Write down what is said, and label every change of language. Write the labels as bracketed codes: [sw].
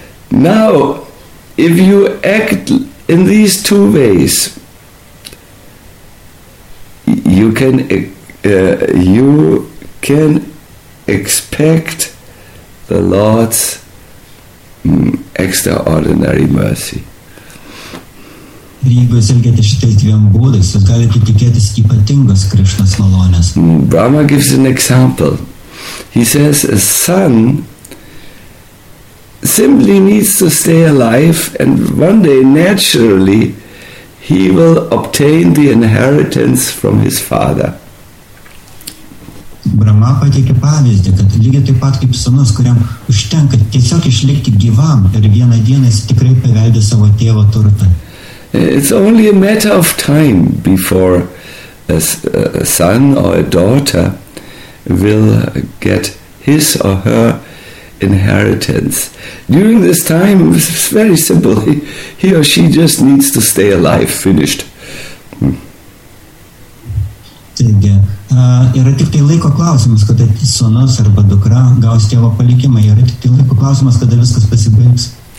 [en] Now, if you act in these two ways, you can expect the Lord's extraordinary mercy. [lt] Ir jeigu jūs elgiate šitais dviem būdais, jūs galite tikėtis ypatingos Krishnos malonės. [en] Brahma gives an example. He says, a son simply needs to stay alive and one day naturally he will obtain the inheritance from his father. [lt] Brahma pateikė pavyzdį, kad lygiai taip pat kaip sūnus, kuriam užtenka tiesiog išlikti gyvam ir vieną dieną jis tikrai paveldė savo tėvo turtą. [en] It's only a matter of time before a son or a daughter will get his or her inheritance. During this time, it's very simple. He or she just needs to stay alive, finished. [lt] Taigi, yra tik tai laiko klausimas, kada sūnus arba dukra gaus tėvo palikimą. Yra tik tai laiko klausimas, kada viskas pasibaigs.